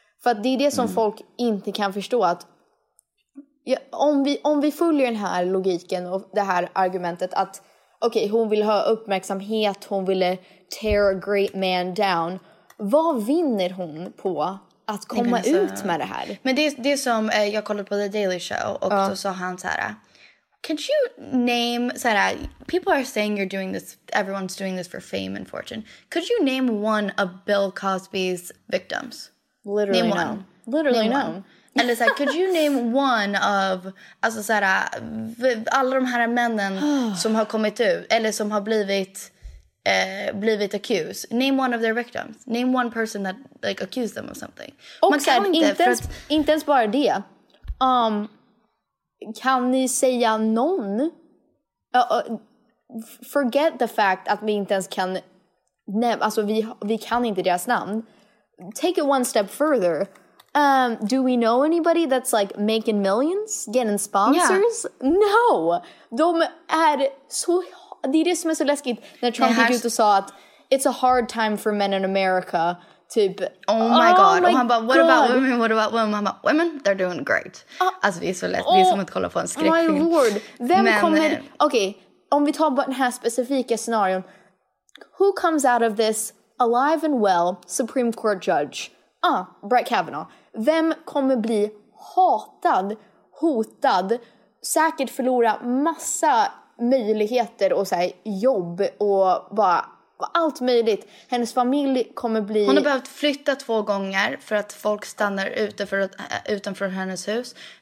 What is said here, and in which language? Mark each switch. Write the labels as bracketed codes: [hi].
[sv] För att det är det som folk inte kan förstå, att om vi följer den här logiken och det här argumentet att okej, hon vill ha uppmärksamhet, hon ville [en] tear a great man down. [sv] Vad vinner hon på att komma ut med det här? Men det är som jag kollade på The Daily Show och då sa han så här, [en] can you name, [sv] så här, [en] people are saying you're doing this, everyone's doing this for fame and fortune. Could you name one of Bill Cosby's victims? Literally name no. One. Literally name no. [sv] One. Eller så här, [en] could you name one of, [sv] alltså så här, alla de här männen som har kommit ut, eller som har blivit accused. [en] Name one of their victims. Name one person that like accused them of something. [sv] Och man kan här, inte ens bara det. Kan ni säga någon? [en] Forget the fact [sv] att vi inte ens kan alltså vi kan inte deras namn. [en] Take it one step further. Do we know anybody that's like making millions? Getting sponsors? Yeah. No! [sv] De är så... Det är det som är så läskigt när Trump gick ut och sa att [en] it's a hard time for men in America. [sv] typ. [en] Oh my god. [sv] Och han bara, [en] what about women? [sv] Han bara, [en] women, they're doing great. [sv] Alltså det är så lätt, det är som att kolla på en skräckfilm. [en] My lord. [sv] Okej, om vi tar bara den här specifika scenarion. [en] Who comes out of this alive and well Supreme Court judge? Brett Kavanaugh. [sv] Vem kommer bli hatad, hotad, säkert förlora massa möjligheter och såhär jobb och bara... allt möjligt. Hennes familj kommer bli... Hon har behövt flytta 2 gånger för att folk stannar utanför hennes hus.